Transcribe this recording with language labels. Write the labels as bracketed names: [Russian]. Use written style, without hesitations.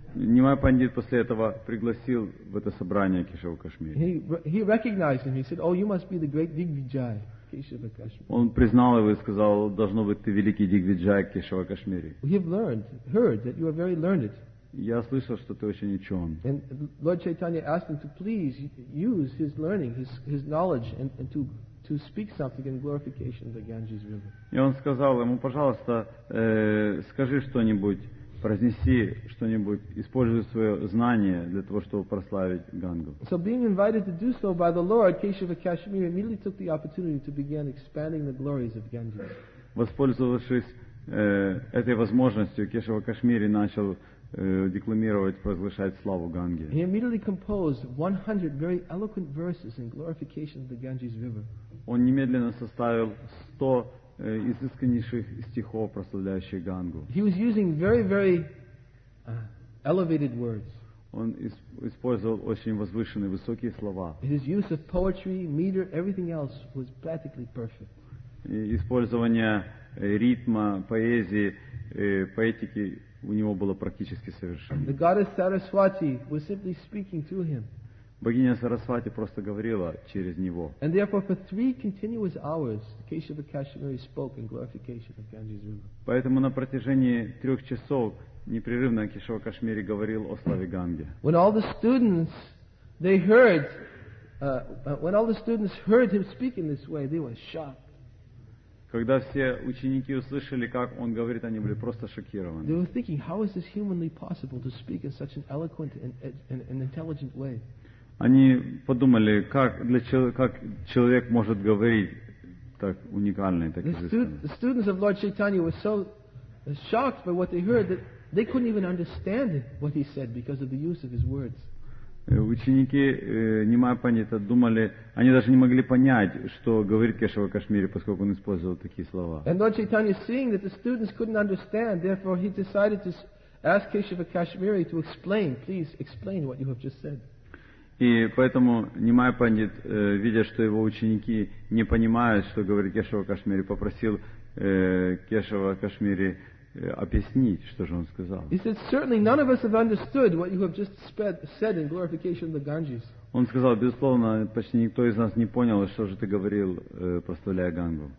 [Russian] Nimai Pandit после этого пригласил в это собрание Кешава Кашмири. [English] He recognized him. He said, "Oh, you must be the great Digvijay, Keshava Kashmiri." [Russian] Он признал его и сказал, должно быть ты великий Дигвиджай Кешава Кашмири. [English] We have heard that you are very learned. [Russian] Я слышал, что ты очень учен. [English] And Lord Chaitanya asked him to please use his learning, his knowledge, and to speak something in glorification of the Ganges River. [Russian] И он сказал ему, пожалуйста, скажи что-нибудь, произнеси что-нибудь, используй свое знание для того, чтобы прославить Гангу. [English] So being invited to do so by the Lord, Keshava Kashmiri immediately took the opportunity to begin expanding the glories of Ganges. [Russian] Воспользовавшись этой возможностью, Кешава Кашмири начал декламировать, возвышать славу Ганги. [English] He immediately composed 100 very eloquent verses in glorification of the Ganges River. [Russian] Он немедленно составил 100 изысканнейших стихов, прославляющих Гангу. [English] He was using very elevated words. [Russian] Он использовал очень возвышенные, высокие слова. [English] His use of poetry, meter, everything else was practically perfect. [Russian] Использование ритма, поэзии, поэтики у него было практически совершенно. [English] The goddess Saraswati was simply speaking through him. [Russian] Богиня Сарасвати просто говорила через него. [English] And therefore, for 3 continuous hours, Keshava Kashmiri spoke in glorification of Ganges River. [Russian] Поэтому на протяжении 3 часов непрерывно Кешава Кашмири говорил о славе Ганги. [English] When all the students heard him speak in this way, they were shocked. [Russian] Когда все ученики услышали, как он говорит, они были просто шокированы. [English] They were thinking, how is this humanly possible to speak in such an eloquent and intelligent way? [Russian] Они подумали, как человек может говорить так уникально и так изысканно. [English] The students of Lord Chaitanya were so shocked by what they heard that they couldn't even understand what he said because of the use of his words. [Russian] Ученики Nimai Pandita думали, они даже не могли понять, что говорит Кешава Кашмири, поскольку он использовал такие слова. [English] And Lord Chaitanya, seeing that the students couldn't understand, therefore he decided to ask Kesava Kashmiri to explain, please explain what you have just said. [Russian] И поэтому Nimai Pandit, видя, что его ученики не понимают, что говорит Кешава Кашмири, попросил Кешава Кашмири объяснить, что же он сказал. [English] He said, certainly none of us have understood what you have just said in glorification of the Ganges. [Russian] Он сказал, безусловно, почти никто из нас не понял, что же ты говорил, прославляя Гангу.